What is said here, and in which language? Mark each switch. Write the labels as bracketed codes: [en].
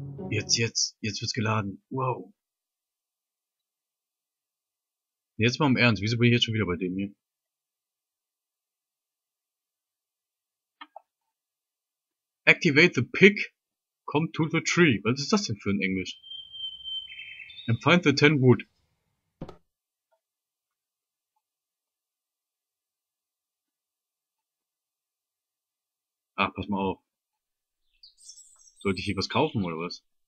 [de] Jetzt wird's geladen. Wow. Jetzt mal im Ernst, wieso bin ich jetzt schon wieder bei dem hier? [en] Activate the pick, come to the tree. [de] Was ist das denn für ein Englisch? [en] And find the 10 wood. [de] Ach, pass mal auf. Sollte ich hier was kaufen oder was?